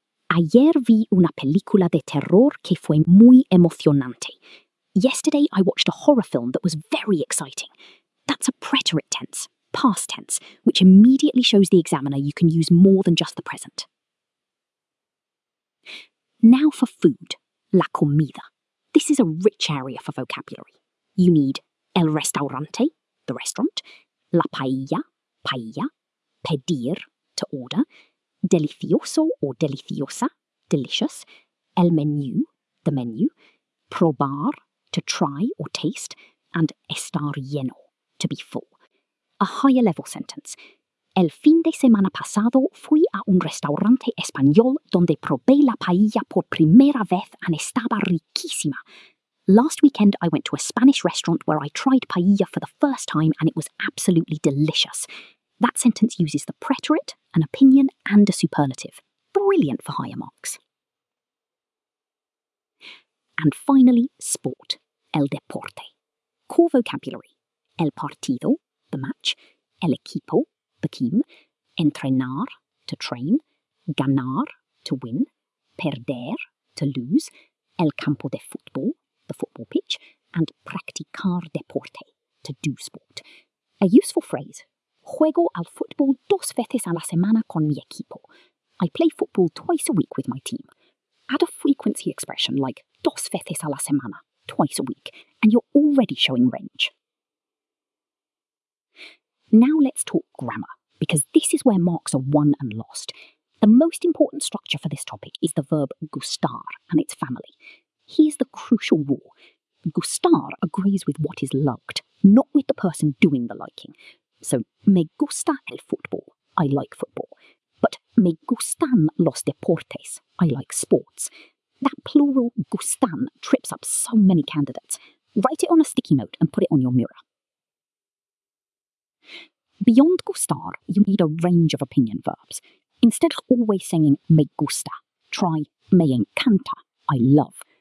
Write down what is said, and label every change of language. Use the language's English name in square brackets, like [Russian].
[Spanish] Ayer vi una película de terror que fue muy emocionante. [English] Yesterday, I watched a horror film that was very exciting. That's a preterite tense, past tense, which immediately shows the examiner you can use more than just the present. Now for food, la comida. This is a rich area for vocabulary. You need el restaurante, the restaurant, la paella, paella, pedir, to order, delicioso or deliciosa, delicious, el menú, the menu, probar, to try or taste, and estar lleno, to be full. A higher level sentence. [Spanish] El fin de semana pasado fui a un restaurante español donde probé la paella por primera vez and estaba riquísima. [English] Last weekend I went to a Spanish restaurant where I tried paella for the first time and it was absolutely delicious. That sentence uses the preterite, an opinion, and a superlative. Brilliant for higher marks. And finally, sport. El deporte. Core vocabulary. El partido, the match. El equipo, the team. Entrenar, to train. Ganar, to win. Perder, to lose. El campo de fútbol, the football pitch. And practicar deporte, to do sport. A useful phrase. [Spanish] Juego al fútbol dos veces a la semana con mi equipo. [English] I play football twice a week with my team. Add a frequency expression like dos veces a la semana, twice a week, and you're already showing range. Now let's talk grammar, because this is where marks are won and lost. The most important structure for this topic is the verb gustar and its family. Here's the crucial rule. Gustar agrees with what is liked, not with the person doing the liking. So me gusta el fútbol, I like football. But me gustan los deportes, I like sports. That plural gustan trips up so many candidates. Write it on a sticky note and put it on your mirror. Beyond gustar, you need a range of opinion verbs. Instead of always saying me gusta, try me encanta, I love.